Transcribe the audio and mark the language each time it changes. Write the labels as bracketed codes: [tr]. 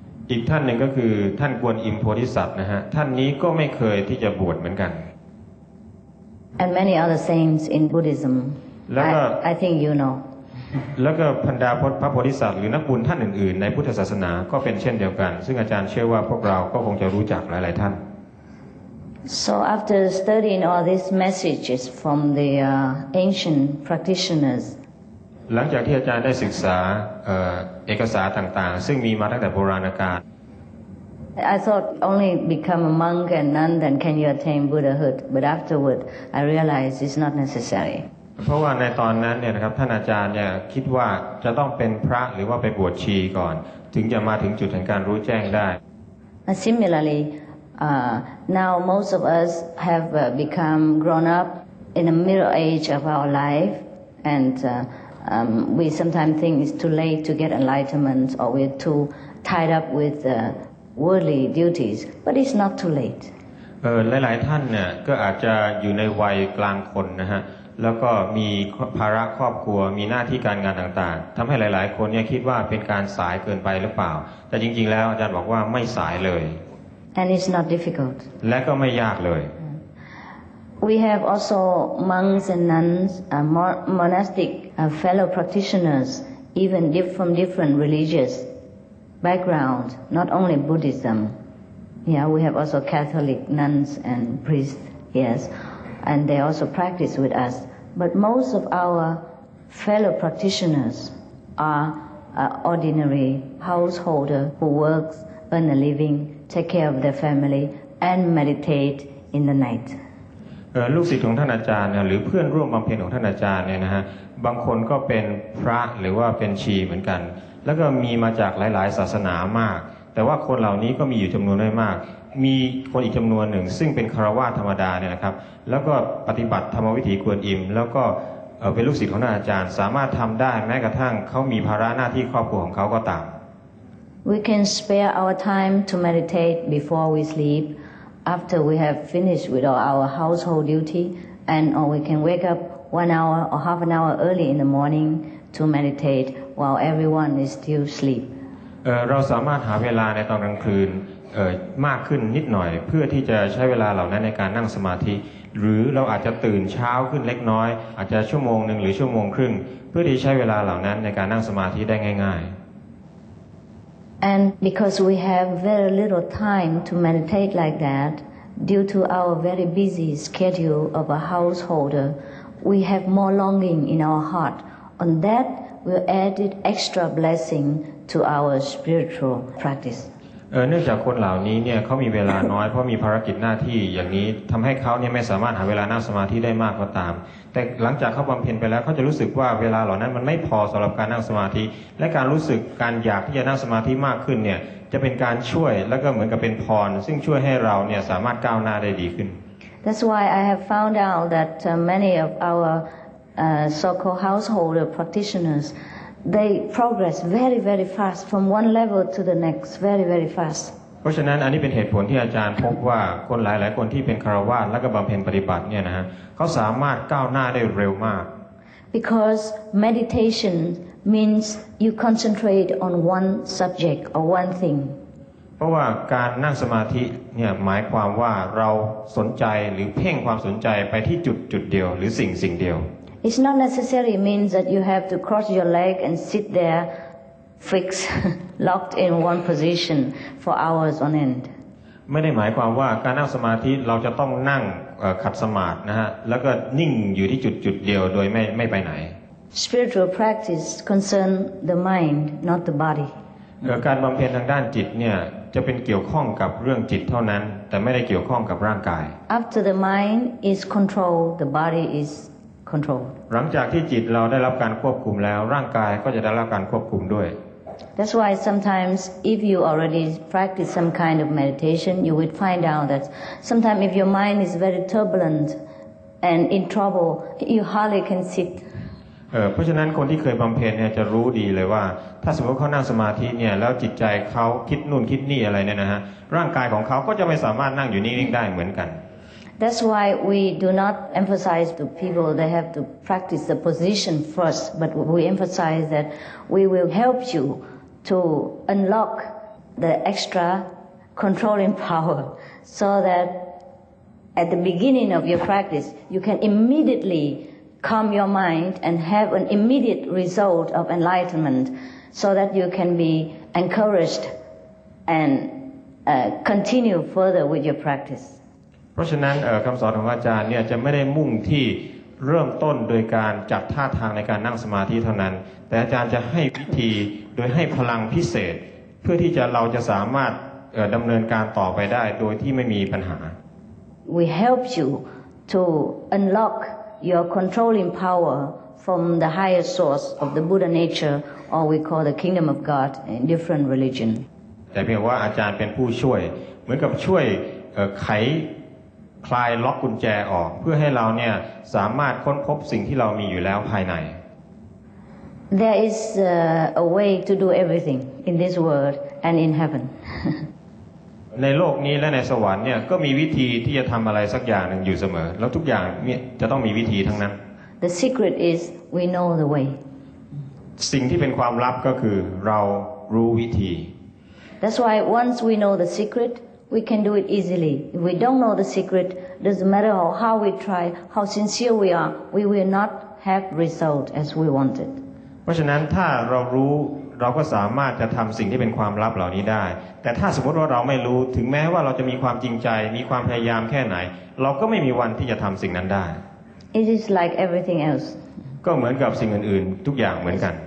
[th] อีกท่านหนึ่งก็คือท่านกวนอิมโพธิสัตว์นะฮะท่านนี้ก็ไม่เคยที่จะบวชเหมือนกัน [en] And many other saints in Buddhism. I think you know. [th] แล้วก็พันดาพระโพธิสัตว์หรือนักบุญท่านอื่นๆในพุทธศาสนาก็เป็นเช่นเดียวกันซึ่งอาจารย์เชื่อว่าพวกเราก็คงจะรู้จักหลายๆท่าน [en] So after studying all these messages from the ancient practitioners, [th] หลังจากที่อาจารย์ได้ศึกษาเอกสารต่างๆซึ่งมีมาตั้งแต่โบราณกาล [en] I thought only become a monk and nun then can you attain Buddhahood. But afterward, I realized it's not necessary. [th] เพราะว่าในตอนนั้นเนี่ยนะครับท่านอาจารย์เนี่ยคิดว่าจะต้องเป็นพระหรือว่าไปบวชชีก่อนถึงจะมาถึงจุดแห่งการรู้แจ้งได้ [en] And similarlyNow most of us have become grown up in the middle age of our life, and we sometimes think it's too late to get enlightenment, or we're too tied up with worldly duties. But it's not too late. [th] หลายๆท่านเนี่ยก็อาจจะอยู่ในวัยกลางคนนะฮะแล้วก็มีภาระครอบครัวมีหน้าที่การงานต่างๆทำให้หลายๆคนเนี่ยคิดว่าเป็นการสายเกินไปหรือเปล่าแต่จริงๆแล้วอาจารย์บอกว่าไม่สายเลย [en] And it's not difficult. [th] และก็ไม่ยากเลย [en] We have also monks and nuns, monastic fellow practitioners, even from different religious background, not only Buddhism. Yeah, we have also Catholic nuns and priests, yes. And they also practice with us. But most of our fellow practitioners are ordinary householder who works, earn a living,take care of their family, and meditate in the night. [th] ลูกศิษย์ของท่านอาจารย์หรือเพื่อนร่วมบำเพ็ญของท่านอาจารย์เนี่ยนะฮะบางคนก็เป็นพระหรือว่าเป็นชีเหมือนกันแล้วก็มีมาจากหลายๆศาสนามากแต่ว่าคนเหล่านี้ก็มีอยู่จำนวนไม่มากมีคนอีกจำนวนหนึ่งซึ่งเป็นคฤหัสถ์ธรรมดาเนี่ยนะครับแล้วก็ปฏิบัติธรรมวิถีกวนอิมแล้วก็เป็นลูกศิษย์ของท่านอาจารย์สามารถทำได้แม้กระทั่งเขามีภาระหน้าที่ครอบครัวของเขาก็ตาม [en] We can spare our time to meditate before we sleepAfter we have finished with all our household duty, and or we can wake up 1 hour or half an hour early in the morning to meditate while everyone is still asleep. [th] เราสามารถหาเวลาในตอนกลางคืนมากขึ้นนิดหน่อยเพื่อที่จะใช้เวลาเหล่านั้นในการนั่งสมาธิหรือเราอาจจะตื่นเช้าขึ้นเล็กน้อยอาจจะชั่วโมงหนึ่งหรือชั่วโมงครึ่งเพื่อที่ใช้เวลาเหล่านั้นในการนั่งสมาธิได้ง่ายๆ [en] And because we have very little time to meditate like that, due to our very busy schedule of a householder, we have more longing in our heart. On that, we'll add extra blessing to our spiritual practice. [th] เนื่องจากคนเหล่านี้เนี่ยเขามีเวลาน้อยเพราะมีภารกิจหน้าที่อย่างนี้ทำให้เขาเนี่ยไม่สามารถหาเวลานั่งสมาธิได้มากก็ตามแต่หลังจากเขาบำเพ็ญไปแล้วเขาจะรู้สึกว่าเวลาเหล่านั้นมันไม่พอสำหรับการนั่งสมาธิและการรู้สึกการอยากที่จะนั่งสมาธิมากขึ้นเนี่ยจะเป็นการช่วยแล้วก็เหมือนกับเป็นพรซึ่งช่วยให้เราเนี่ยสามารถก้าวหน้าได้ดีขึ้น [en] That's why I have found out that many of our so-called household practitioners they progress very very fast from one level to the next very very fast [th] เพราะฉะนั้นอันนี้เป็นเหตุผลที่อาจารย์พบว่าคนหลายๆคนที่เป็นคฤหัสถ์แล้วก็บำเพ็ญปฏิบัติเนี่ยนะเขาสามารถก้าวหน้าได้เร็วมาก [en] Because meditation means you concentrate on one subject or one thing [th] เพราะว่าการนั่งสมาธิเนี่ยหมายความว่าเราสนใจหรือเพ่งความสนใจไปที่จุดเดียวหรือสิ่งเดียว [en] It's not necessary means that you have to cross your leg and sit there fixed locked in one position for hours on end [th] ไม่ได้หมายความว่าการนั่งสมาธิเราจะต้องนั่งขัดสมาธินะฮะแล้วก็นิ่งอยู่ที่จุดเดียวโดยไม่ไปไหน [en] Spiritual practice concern the mind not the body [th] การบำเพ็ญทางด้านจิตเนี่ยจะเป็นเกี่ยวข้องกับเรื่องจิตเท่านั้นแต่ไม่ได้เกี่ยวข้องกับร่างกาย [en] After the mind is controlled the body is controlled [th] หลังจากที่จิตเราได้รับการควบคุมแล้วร่างกายก็จะได้รับการควบคุมด้วย [en] That's why sometimes if you already practice some kind of meditation you would find out that sometimes if your mind is very turbulent and in trouble you hardly can sit [th] เพราะฉะนั้นคนที่เคยบำเพ็ญเนี่ยจะรู้ดีเลยว่าถ้าสมมติเขานั่งสมาธิเนี่ยแล้วจิตใจเขาคิดนู่นคิดนี่อะไรเนี่ยนะฮะร่างกายของเขาก็จะไม่สามารถนั่งอยู่นิ่งได้เหมือนกัน [en] That's why we do not emphasize to people they have to practice the position first, but we emphasize that we will help you to unlock the extra controlling power so that at the beginning of your practice, you can immediately calm your mind and have an immediate result of enlightenment so that you can be encouraged and continue further with your practice. [th] เพราะฉะนั้นคำสอนของอาจารย์เนี่ยจะไม่ได้มุ่งที่เริ่มต้นโดยการจัดท่าทางในการนั่งสมาธิเท่านั้นแต่อาจารย์จะให้วิธีโดยให้พลังพิเศษเพื่อที่จะเราจะสามารถดำเนินการต่อไปได้โดยที่ไม่มีปัญหา [en] We help you to unlock your controlling power from the higher source of the Buddha nature or we call the kingdom of God in different religion [th] แต่เพียงว่าอาจารย์เป็นผู้ช่วยเหมือนกับช่วยไขคลายล็อกกุญแจออกเพื่อให้เราเนี่ยสามารถค้นพบสิ่งที่เรามีอยู่แล้วภายใน [en] There is a way to do everything in this world and in heaven [th] ในโลกนี้และในสวรรค์เนี่ยก็มีวิธีที่จะทำอะไรสักอย่างหนึ่งอยู่เสมอแล้วทุกอย่างเนี่ยจะต้องมีวิธีทั้งนั้น [en] The secret is we know the way [th] สิ่งที่เป็นความลับก็คือเรารู้วิธี [en] That's why once we know the secretWe can do it easily. If we don't know the secret, doesn't matter how we try, how sincere we are, we will not have result as we wanted. [th] เพราะฉะนั้นถ้าเรารู้เราก็สามารถจะทำสิ่งที่เป็นความลับเหล่านี้ได้แต่ถ้าสมมติว่าเราไม่รู้ถึงแม้ว่าเราจะมีความจริงใจมีความพยายามแค่ไหนเราก็ไม่มีวันที่จะทำสิ่งนั้นได้ [en] It is like everything else. [th] ก็เหมือนกับสิ่งอื่นๆทุกอย่างเหมือนกัน